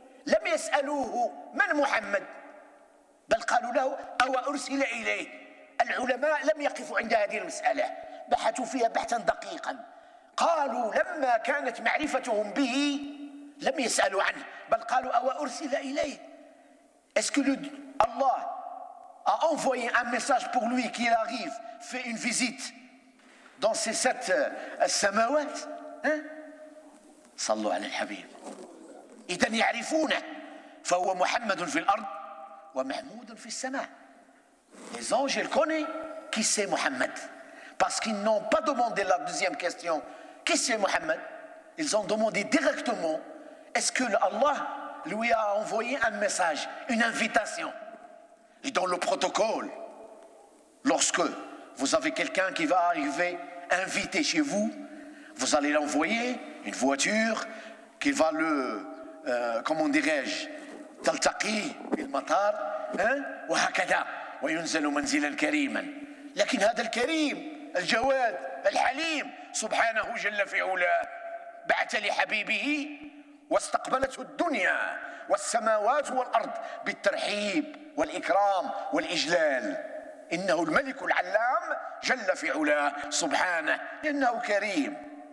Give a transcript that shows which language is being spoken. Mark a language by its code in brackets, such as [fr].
[ar] لم يسألوه من محمد، بل قالوا له أو أرسل إليه. العلماء لم يقفوا عند هذه المسألة، بحثوا فيها بحثا دقيقا. قالوا لما كانت معرفتهم به لم يسألوا عنه، بل قالوا أو أرسل إليه. [fr] Est-ce que Allah a envoyé un message pour lui qu'il arrive, fait une visite dans ces sept السماوات؟ [ar] صلوا على الحبيب. إذن يعرفونه، فهو محمد في الأرض ومحمود في السماء. [fr] Les anges connaissent qui c'est Mohammed parce qu'ils n'ont pas demandé la deuxième question qui c'est Mohammed. Ils ont demandé directement est-ce que Allah lui a envoyé un message, une invitation. Et dans le protocole, lorsque vous avez quelqu'un qui va arriver invité chez vous, vous allez l'envoyer une voiture qui va le comment dirais-je, [ar] تلتقي المطار وهكذا وينزل منزلا كريما. لكن هذا الكريم الجواد الحليم سبحانه جل في علاه بعث لحبيبه واستقبلته الدنيا والسماوات والأرض بالترحيب والإكرام والإجلال. إنه الملك العلام جل في علاه سبحانه، إنه كريم.